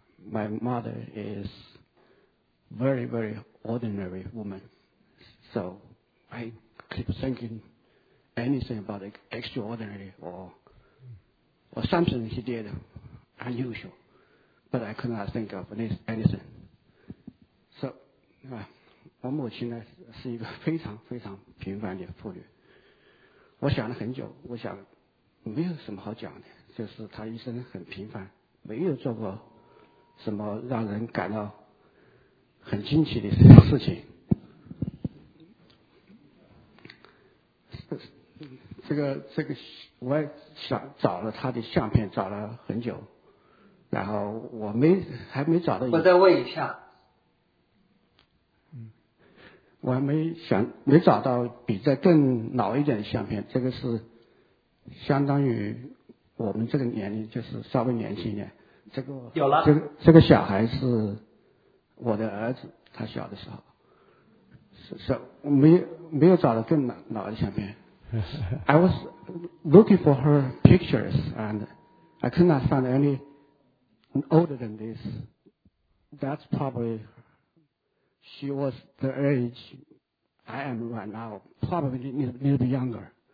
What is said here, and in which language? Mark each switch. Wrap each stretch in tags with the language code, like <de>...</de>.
<en>My mother is very, very ordinary woman. So I keep thinking anything about extraordinary or something she did unusual, but I could not think of anything.</en> <zh>So, 我母亲呢是一个非常非常平凡的妇女。我想了很久，我想没有什么好讲的，就是她一生很平凡，没有做过什么让人感到很惊奇的事情。这个，我也想找了她的相片，找了很久。然后我没还没找到我再问一下我还没找到比这更老一点的相片，这个是相当于我们这个年龄，就是稍微年轻一点，这个有了，这个小孩是我的儿子，他小的时候是没有找到更老的相片。</zh> <en>I was looking for her pictures and I could not find anyolder than this. That's probably she was the age I am right now, probably a little bit younger.</en>